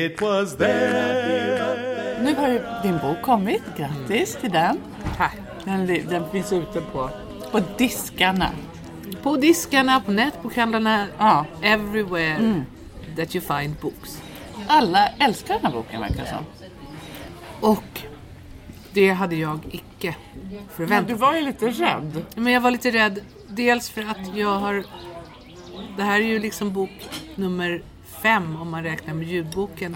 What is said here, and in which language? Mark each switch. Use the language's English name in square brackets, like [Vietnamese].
[Swedish] Nu har din bok kommit. Grattis till den. Den finns ute på diskarna. På diskarna, på nätbokhandlarna. Ja. [English] Everywhere that you find books. [Swedish] Alla älskar den här boken, verkar som. Och det hade jag icke förväntat. Men du var ju lite rädd. Men jag var lite rädd. Dels för att jag har... Det här är ju liksom bok nummer 5 om man räknar med ljudboken.